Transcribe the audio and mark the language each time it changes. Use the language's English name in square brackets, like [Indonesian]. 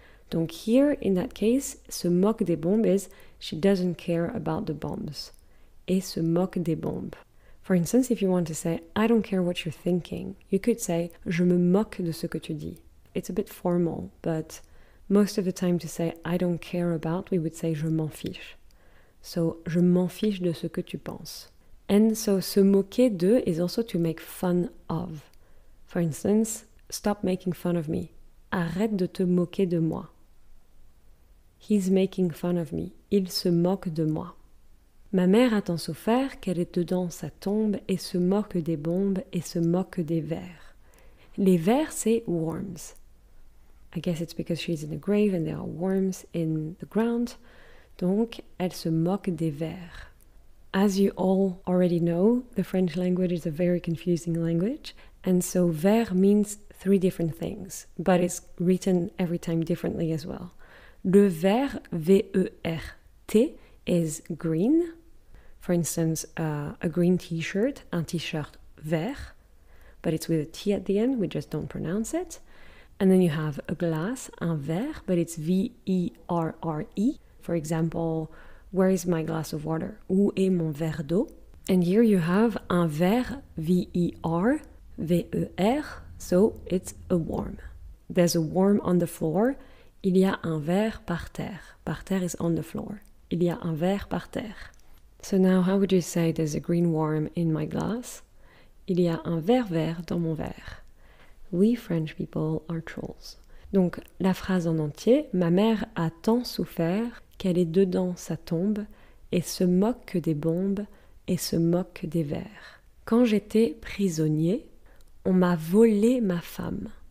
[English] Donc here, in that case, [French] se moque des bombes [English] is she doesn't care about the bombs. [French] Et se moque des bombes. [English] For instance, if you want to say, I don't care what you're thinking, you could say, [French] je me moque de ce que tu dis. [English] It's a bit formal, but most of the time to say, I don't care about, we would say, [French] je m'en fiche. So, je m'en fiche de ce que tu penses. [English] And so, [French] se moquer de [English] is also to make fun of. For instance, stop making fun of me. [French] Arrête de te moquer de moi. [English] He's making fun of me. [French] Il se moque de moi. Ma mère a tant souffert qu'elle est dedans sa tombe et se moque des bombes et se moque des vers. Les vers, c'est worms. [English] I guess it's because she's in a grave and there are worms in the ground. [French] Donc, elle se moque des vers. [English] As you all already know, the French language is a very confusing language. And so, vers means three different things, but it's written every time differently as well. Le vert, V-E-R-T, is green. For instance, a green t-shirt, [French] un t-shirt vert. [English] But it's with a T at the end, we just don't pronounce it. And then you have a glass, [French] un verre, [English] but it's V-E-R-R-E. For example, where is my glass of water? [French] Où est mon verre d'eau? [English] And here you have [French] un verre, [English] V-E-R, V-E-R, so it's a worm. There's a worm on the floor. [French] Il y a un verre par terre. [English] Par terre is on the floor. [French] Il y a un verre par terre. [English] So now, how would you say there's a green worm in my glass? [French] Il y a un verre vert dans mon verre. [English] We French people are trolls. [French] Donc, la phrase en entier, ma mère a tant souffert qu'elle est dedans sa tombe et se moque des bombes et se moque des vers. Quand j'étais prisonnier, on m'a volé ma femme.